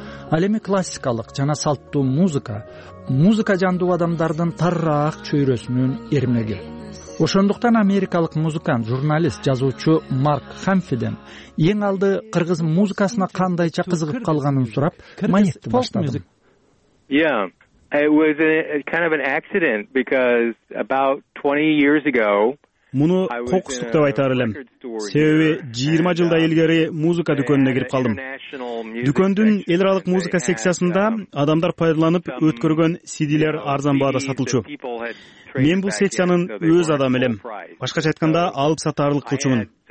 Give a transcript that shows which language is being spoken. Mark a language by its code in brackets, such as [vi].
[ky] Ал эми классикалык жана салттуу музыка жандуу адамдардын тарыраак чөйрөсүнүн эрмеги. Ошондуктан америкалык музыкант, журналист, жазуучу Марк Хамфиден эң алды кыргыз музыкасына кандайча кызыгып калганын сурап, маанитти баштадым. [en] It was kind of an accident because about 20 years ago [ky] муну кокустук деп айтар элем. Себеби 20 жылдай илгери музыка дүкөнүнө кирип калдым. Дүкөндүн эл аралык музыка секциясында адамдар пайдаланып өткөргөн CD-лер арзан баада сатылчу. Мен бул секциянын өз адамы элем. Башкача айтканда, алып сатарлык кылчумун.